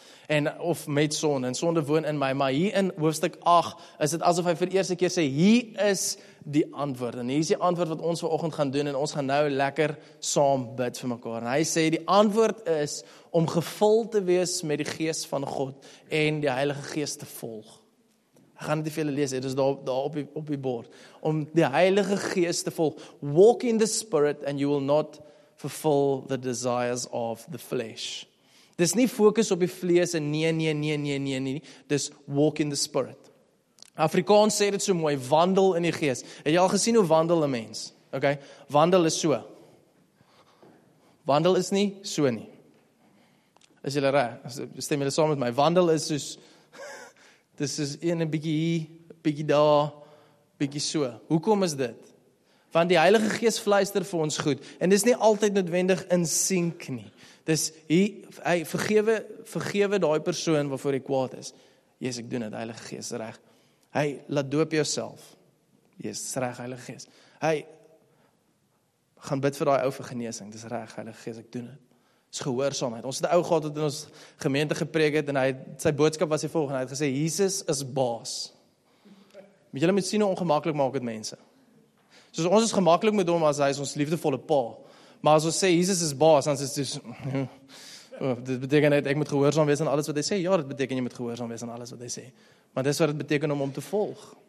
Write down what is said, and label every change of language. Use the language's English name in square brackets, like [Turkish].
[Afrikaans] En, of met sonde, en sonde woon in my. Maar hier in hoofstuk 8, is dit asof hy vir eerste keer sê, hier is die antwoord. En hier is die antwoord wat ons vanoggend gaan doen, en ons gaan nou lekker saam bid vir mekaar. En hy sê, die antwoord is, om gevul te wees met die gees van God, en die Heilige Gees te volg. Ek gaan dit vir julle lees, dit is daar op die bord. Om die Heilige Gees te volg. [English] Walk in the Spirit, and you will not fulfill the desires of the flesh. [Afrikaans] Dis nie fokus op die vlees en nie. Dis [English] walk in the Spirit. [Afrikaans] Afrikaans sê dit so mooi, wandel in die gees. Het jy al gesien hoe wandel 'n mens? Okay, wandel is so. Wandel is nie so nie. Is julle reg? Stem julle saam met my? Wandel is soos, dis is een bietjie hier, bietjie daar, bietjie so. Hoekom is dit? Want die Heilige Gees fluister vir ons goed. En dis nie altyd noodwendig in sink nie. Dis, hy vergewe die persoon waarvoor hy kwaad is. Jezus, ek doen het, Heilige Gees, reg. Hy, laat doop jouself. Jezus, reg, Heilige Gees. Hy, gaan bid vir die ou vir geneesing. Dis reg, Heilige Gees, ek doen het. Dis gehoorsaamheid. Ons het die ou gehad wat in ons gemeente gepreek het, en hy, sy boodskap was die volgende. Hy het gesê, Jesus is baas. Julle moet sien hoe ongemakkelijk maak het mense. Soos ons is gemakkelijk met hom, as hy is ons liefdevolle pa. Maar as ons sê, Jesus is baas, dan is het dus, dit beteken net, ek moet gehoorsaam wees aan alles wat hy sê. Ja, dit beteken, jy moet gehoorsaam wees aan alles wat hy sê. Maar dis wat het beteken om te volg.